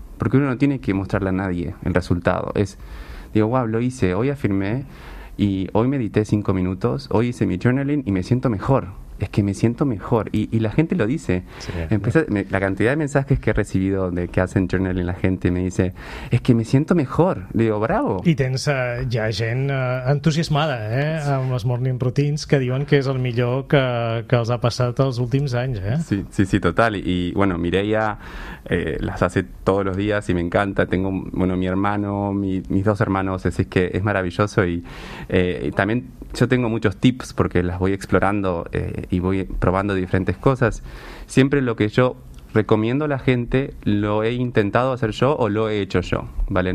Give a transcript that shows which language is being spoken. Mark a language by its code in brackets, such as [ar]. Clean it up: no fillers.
[es] Porque uno no tiene que mostrarle a nadie el resultado. Digo, wow, lo hice, hoy afirmé y hoy medité 5 minutos, hoy hice mi journaling y me siento mejor. Es que me siento mejor. Y la gente lo dice. Sí, la cantidad de mensajes que he recibido de que hacen journaling, la gente me dice, es que me siento mejor. Le digo, bravo. [ca] I tens ja gent entusiasmada, amb les morning routines, que diuen que és el millor que els ha passat els últims anys. [es] Sí, total. Y bueno, Mireia las hace todos los días y me encanta. Tengo, bueno, mi hermano, mis dos hermanos, es que es maravilloso. Y también yo tengo muchos tips porque las voy explorando y voy probando diferentes cosas. Siempre lo que yo recomiendo a la gente lo he intentado hacer yo o lo he hecho yo, ¿vale?